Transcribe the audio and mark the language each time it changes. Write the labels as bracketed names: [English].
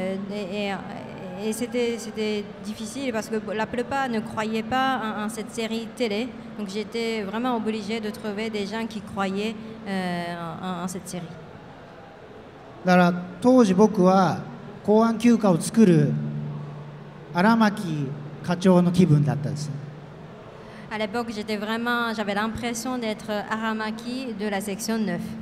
[French] Et c'était difficile parce que la plupart ne croyaient pas en cette série télé. Donc j'étais vraiment obligée de trouver des gens qui croyaient en cette série. [Japanese] だから当時僕は公安休暇を作る荒牧課長の気分だったんです。 [French] À l'époque, j'étais vraiment, j'avais l'impression d'être Aramaki de la section 9.